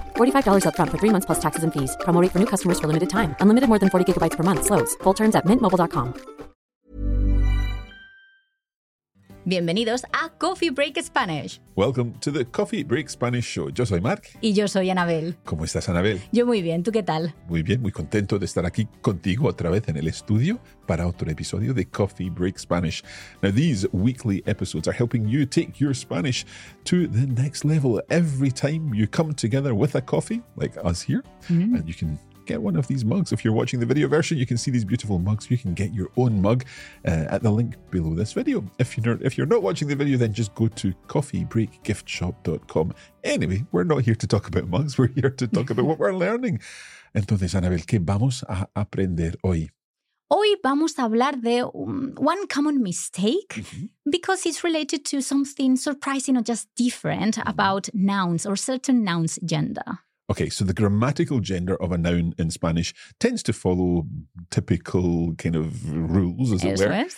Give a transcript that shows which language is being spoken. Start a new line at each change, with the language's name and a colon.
English: $45 up front for 3 months plus taxes and fees. Promo rate for new customers for limited time. Unlimited more than 40 gigabytes per month. Slows full terms at mintmobile.com.
Spanish: Bienvenidos a Coffee Break Spanish.
English: Welcome to the Coffee Break Spanish Show.
Spanish: Yo soy Marc. Y yo soy Anabel. ¿Cómo estás, Anabel? Yo muy bien. ¿Tú qué tal? Muy bien. Muy contento de estar aquí contigo otra vez en el estudio para otro episodio de Coffee Break Spanish.
English: Now, these weekly episodes are helping you take your Spanish to the next level. Every time you come together with a coffee, like us here, and you can get one of these mugs. If you're watching the video version, you can see these beautiful mugs. You can get your own mug at the link below this video. If you're not watching the video, then just go to coffeebreakgiftshop.com. Anyway, we're not here to talk about mugs. We're here to talk about what we're learning.
Spanish: Entonces, Anabel, ¿qué vamos a aprender hoy? Hoy vamos a hablar de
English: one common mistake because it's related to something surprising or just different about nouns or certain nouns' gender. Okay, so the grammatical gender of a noun in Spanish tends to follow typical kind of rules, as it were.